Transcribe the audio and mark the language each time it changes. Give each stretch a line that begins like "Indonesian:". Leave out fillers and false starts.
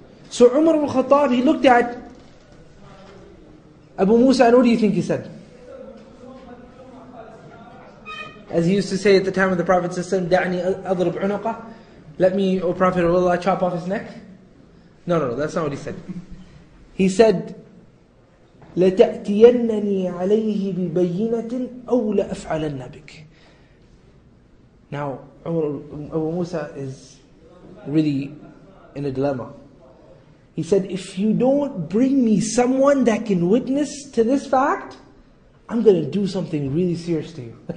English: So Umar al-Khattab, he looked at Abu Musa, and what do you think he said? As he used to say at the time of the Prophet ﷺ,
Arabic: "Da'ni adrib unaqa,"
English: let me, O Prophet of Allah, chop off his neck. No, that's not what he said. He said,
Arabic: "لَتَأْتِيَنَّنِي عَلَيْهِ بِبَيِّنَةٍ أَوْ لَأَفْعَلَنَّ بِكَ."
English: Now, Abu Musa is really in a dilemma. He said, if you don't bring me someone that can witness to this fact, I'm going to do something really serious to you.